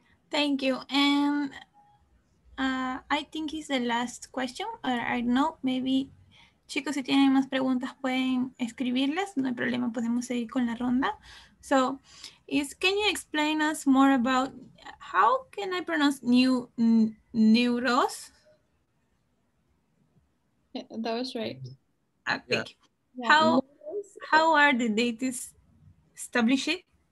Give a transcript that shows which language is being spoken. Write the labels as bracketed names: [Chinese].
[English] Thank you. And I think it's the last question, or I don't know, maybe. [Spanish] Chicos, si tienen más preguntas, pueden escribirlas. No hay problema, podemos seguir con la ronda. [English] So, can you explain us more about, how can I pronounce neuros? Yeah, that was right. Okay. Yeah. How are the data established?